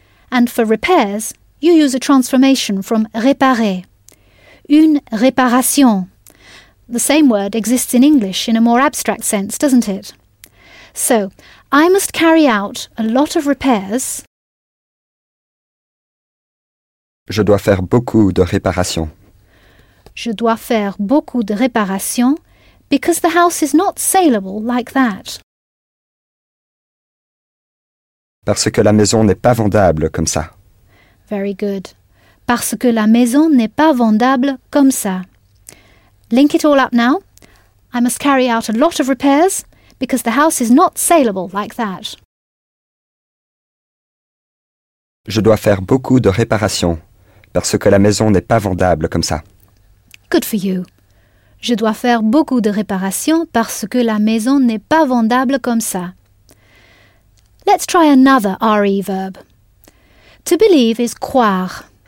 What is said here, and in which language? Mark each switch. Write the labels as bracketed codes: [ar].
[en] And for repairs, you use a transformation from réparer. [fr] Une réparation. [en] The same word exists in English in a more abstract sense, doesn't it? So, I must carry out a lot of repairs. [fr] Je dois faire beaucoup de réparations. Je dois faire beaucoup de réparations [en] because the house is not saleable like that. [fr] Parce que la maison n'est pas vendable comme ça. [en] Very good. [fr] Parce que la maison n'est pas vendable comme ça. [en] Link it all up now. I must carry out a lot of repairs because the house is not saleable like that. [fr] Je dois faire beaucoup de réparations parce que la maison n'est pas vendable comme ça. [en] Good for you. [fr] Je dois faire beaucoup de réparations parce que la maison n'est pas vendable comme ça. [en] Let's try another RE verb. To believe is croire.